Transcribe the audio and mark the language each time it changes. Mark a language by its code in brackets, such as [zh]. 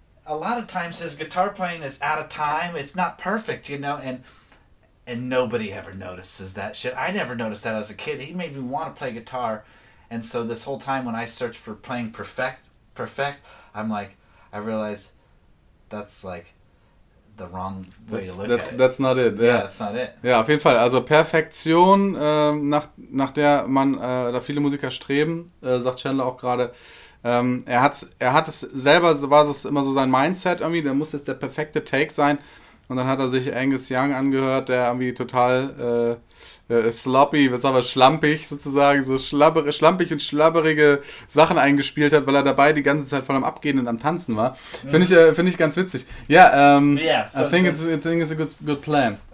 [en] A lot of times his guitar playing is out of time. It's not perfect, you know, and nobody ever notices that shit. I never noticed that as a kid. He made me want to play guitar. And so this whole time when I search for playing perfect, I'm like, I realize that's like the wrong way That's not it. Yeah. Yeah, that's not it. [de] Ja, auf jeden Fall. Also Perfektion, nach der man da viele Musiker streben, sagt Chandler auch gerade, er hat es selber, war es immer so sein Mindset irgendwie, der muss jetzt der perfekte Take sein. Und dann hat er sich Angus Young angehört, der irgendwie total sloppy, was aber schlampig sozusagen, so schlampig und schlabberige Sachen eingespielt hat, weil er dabei die ganze Zeit voll am Abgehen und am Tanzen war. Finde ich ganz witzig. [en] Ja, yeah, so I think it's a good plan.